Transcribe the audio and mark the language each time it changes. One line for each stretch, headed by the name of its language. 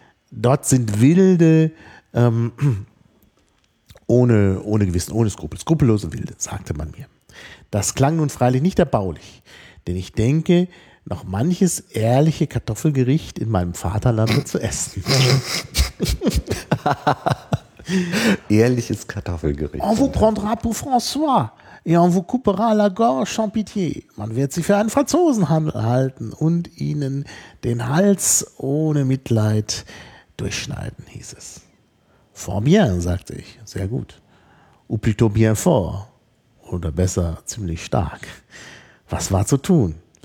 German: Dort sind wilde, ohne Gewissen, ohne Skrupel, skrupellose Wilde, sagte man mir. Das klang nun freilich nicht erbaulich, denn ich denke, noch manches ehrliche Kartoffelgericht in meinem Vaterlande zu essen. Ehrliches Kartoffelgericht.
French: On vous prendra pour François et on vous coupera la gorge en pitié.
German: Man wird sie für einen Franzosen halten und ihnen den Hals ohne Mitleid durchschneiden, hieß es.
French: Fort bien,
German: sagte ich, sehr gut.
French: Ou plutôt bien fort.
German: Oder besser, ziemlich stark. Was war zu tun?